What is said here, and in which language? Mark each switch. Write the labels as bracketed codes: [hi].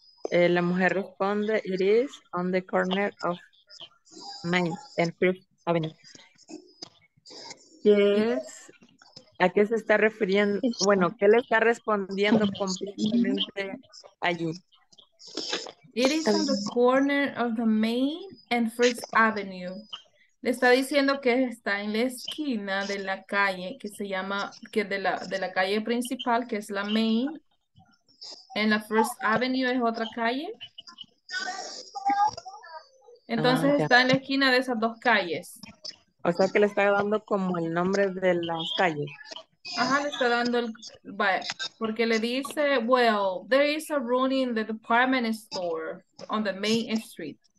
[en] la mujer responde, it is on the corner of Main and First Avenue. [es] Yes. ¿A qué se está refiriendo? Bueno, ¿qué le está respondiendo completamente allí? [en] It is on the corner of the Main and First Avenue. [es] Le está diciendo que está en la esquina de la calle que se llama, que de la calle principal, que es la Main. En la First Avenue es otra calle. Entonces está en la esquina de esas dos calles. O sea que le está dando como el nombre de las calles. Ajá, le está dando el... [en] Vaya, porque le dice, well, there is a room in the department store on the Main Street.